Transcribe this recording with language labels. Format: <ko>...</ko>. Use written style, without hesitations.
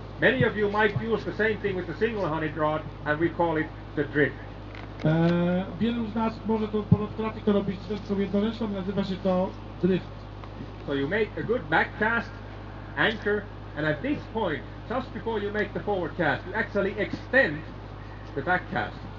<en>Many of you might use the same thing with the single-handed rod and we call it the drift.</en> <pl>Wielu z nas może to po pracy to robić z wędką jednoręczną, nazywa się to drift.</pl> <en>So you make a good back cast, anchor, and at this point, just before you make the forward cast, you actually extend the back cast.</en>